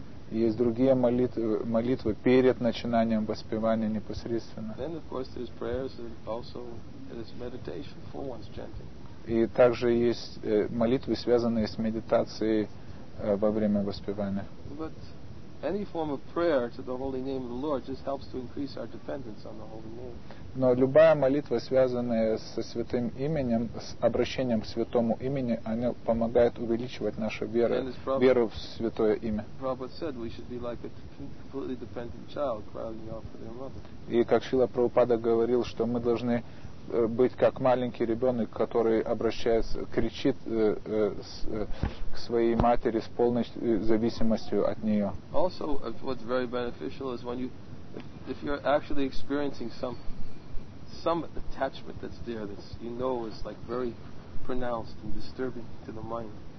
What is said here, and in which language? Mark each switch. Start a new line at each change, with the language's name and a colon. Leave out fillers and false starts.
Russian: Есть другие молитвы перед начинанием воспевания непосредственно.
English: Then, of course, there's prayers and also there's meditation for one's chanting.
Russian: И также есть молитвы, связанные с медитацией во время воспевания.
English: But any form of prayer to the holy name of the Lord just helps to increase our dependence on the holy name.
Russian: Но любая молитва, связанная со святым именем, с обращением к святому имени, она помогает увеличивать нашу веру в святое имя.
English: Prabhupada said we should be like a completely dependent child crying out for their mother.
Russian: И как Шрила Прабхупада говорил, что мы должны быть как маленький ребенок, который обращается, кричит к своей матери с полной зависимостью от нее.
English: Also, what's very beneficial is when you, if you're actually experiencing some attachment that's there, that you know is like very pronounced and disturbing to the mind.